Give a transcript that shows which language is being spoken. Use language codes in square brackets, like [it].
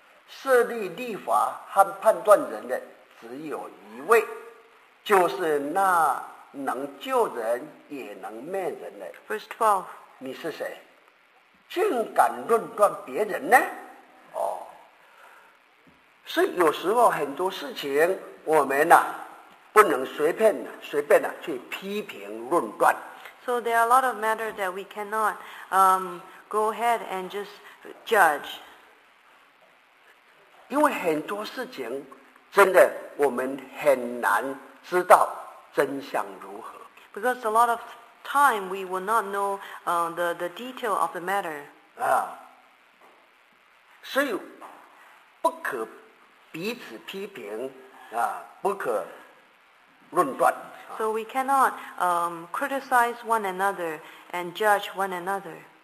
[zh] 设立律法和判断人的只有一位，就是那能救人也能灭人的。 [en] Verse 12。 [zh] 你是谁？竟敢论断别人呢？哦，所以有时候很多事情，我们呢、啊、不能随便呢、啊、去批评论断。 [en] So there are a lot of matters that we cannot go ahead and just judge. [zh] 因为很多事情真的我们很难知道真相如何。 [en] Because a lot of time we will not know the detail of the matter. [zh] 啊，所以不可彼此批评啊，不可论断。 [en] So we cannot criticize one another and judge one another.